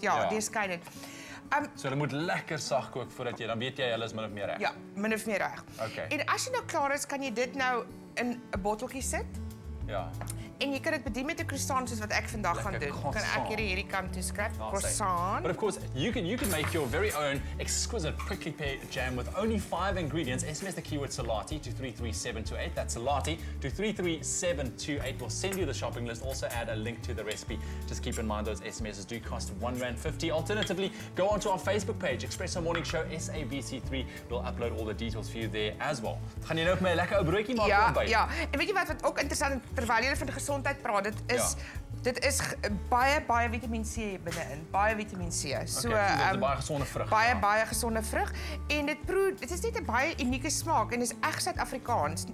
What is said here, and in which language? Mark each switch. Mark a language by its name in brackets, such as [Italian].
[Afrikaans] Ja, deurskynend. So hulle moet lekker sag kook voordat jy, dan weet jy hulle is min of meer reg. Ja, min of meer reg. [English] Okay. [Afrikaans] En as jy nou klaar is, kan jy dit nou in 'n botteltjie sit. Ja. En jy kan dit bedien met 'n croissant soos wat ek vandag gaan doen. Croissant. Kan ek hierdie kant toe skryf croissant. [English] But of course, you can make your very own exquisite prickly pear jam with only 5 ingredients. SMS the keyword salati to 33728. That's salati to 33728. We'll send you the shopping list, also add a link to the recipe. Just keep in mind those SMSs do cost R1.50. Alternatively, go onto our Facebook page, Espresso Morning Show SABC3. We'll upload all the details for you there as well. [Afrikaans] Gaan jy nou vir my 'n lekker ou broodjie maak by? Ja. En weet jy wat ook interessant is, terwyl jy van gesondheid praat, dit is baie vitamine C binne-in, baie vitamine C. So, okay, dit is 'n baie gesonde vrug. Baie gesonde vrug en dit is net 'n baie unieke smaak en is reg Suid-Afrikaans.